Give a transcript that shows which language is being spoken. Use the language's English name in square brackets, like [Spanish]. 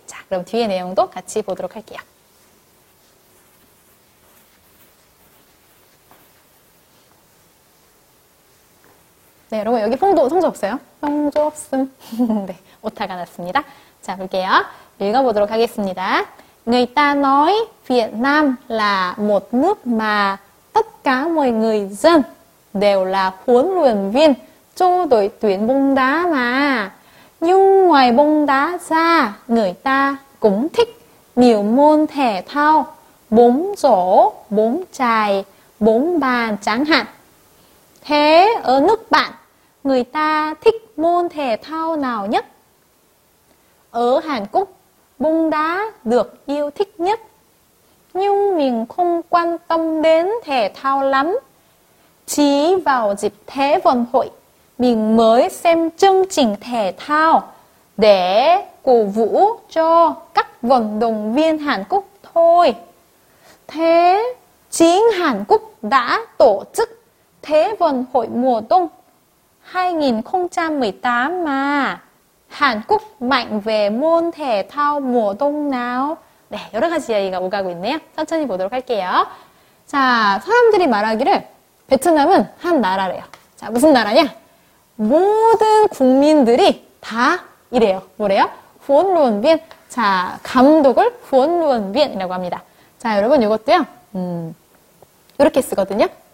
[Korean] 자, 그럼 뒤에 내용도 같이 보도록 할게요. 네, 여러분 여기 퐁도 성조 없어요? 성조 없음. 네, 오타가 났습니다. 자, 볼게요. 읽어보도록 하겠습니다. [Vietnamese] Người ta nói Việt Nam là một nước mà tất cả mọi người dân đều là huấn luyện viên cho đội tuyển bóng đá mà. Nhưng ngoài bóng đá ra, người ta cũng thích nhiều môn thể thao, bóng rổ, bóng chày, bóng bàn chẳng hạn. Thế ở nước bạn, người ta thích môn thể thao nào nhất? Ở Hàn Quốc, bóng đá được yêu thích nhất. Nhưng mình không quan tâm đến thể thao lắm. Chỉ vào dịp Thế vận hội, mình mới xem chương trình thể thao để cổ vũ cho các vận động viên Hàn Quốc thôi. Thế chính Hàn Quốc đã tổ chức Thế vận hội mùa đông 2018 mà Hàn Quốc mạnh về môn thể thao mùa đông nào. [Korean] 네, 여러 가지 이야기가 오가고 있네요. 천천히 보도록 할게요. 자, 사람들이 말하기를 베트남은 한 나라래요. 자, 무슨 나라냐? 모든 국민들이 다 이래요. 뭐래요? 훈련빈. 자, 감독을 훈련빈이라고 합니다. 자, 여러분 이것도요. 이렇게 쓰거든요.